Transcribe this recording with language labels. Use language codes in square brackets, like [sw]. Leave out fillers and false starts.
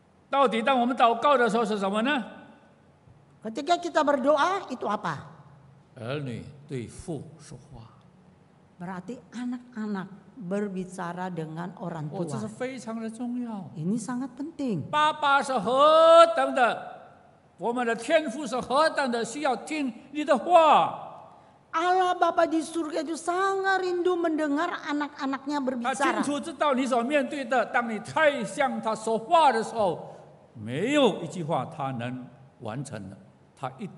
[zh] 到底当我们祷告的时候是什么呢? [id] Ketika kita berdoa, itu apa? [zh] 儿女对父说话。 [id] Berarti anak-anak berbicara dengan orang tua. [zh] 这是非常的重要。 [id] Ini sangat penting. [zh] 爸爸是何等的, 我们的天父是何等的, 需要听你的话。 [id] Allah Bapa di surga itu sangat rindu mendengar anak-anaknya berbicara.